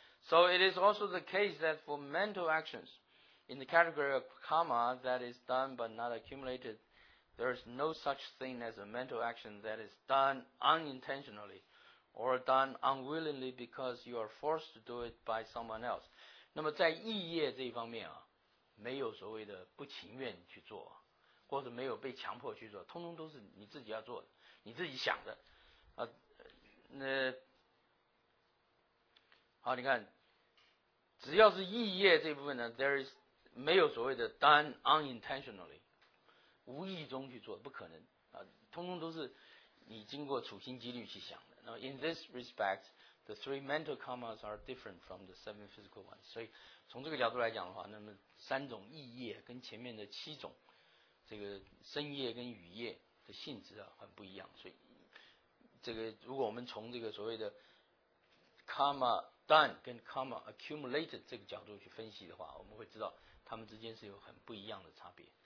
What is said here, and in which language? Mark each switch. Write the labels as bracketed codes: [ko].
[en] So it is also the case that for mental actions in the category of karma that is done but not accumulated, there is no such thing as a mental action that is done unintentionally or done unwillingly because you are forced to do it by someone else. [zh] 那么在意业这一方面啊，没有所谓的不情愿去做，或者没有被强迫去做，通通都是你自己要做的，你自己想的。啊，那好，你看，只要是意业这一部分呢 ， there is 没有所谓的 done unintentionally，无意中去做，不可能啊，通通都是你经过处心积虑去想的。那么 in this respect。 [en] The three mental karmas are different from the seven physical ones. [zh] 所以从这个角度来讲的话，那么三种意业跟前面的七种这个身业跟语业的性质啊很不一样。所以这个如果我们从这个所谓的 karma done 跟 karma accumulated 这个角度去分析的话，我们会知道他们之间是有很不一样的差别。